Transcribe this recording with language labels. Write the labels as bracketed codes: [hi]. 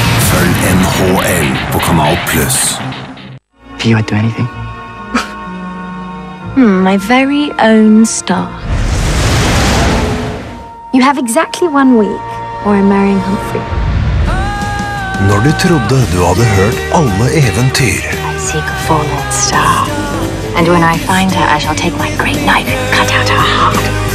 [no] Følg NHL på Kanal Plus. [en] If you would do anything. My very own star. You have exactly one week, or I'm marrying Humphrey. [no] Når du trodde du hadde hørt alle eventyr. [en] I seek a fallen star. And when I find her, I shall take my great knife and cut out her heart.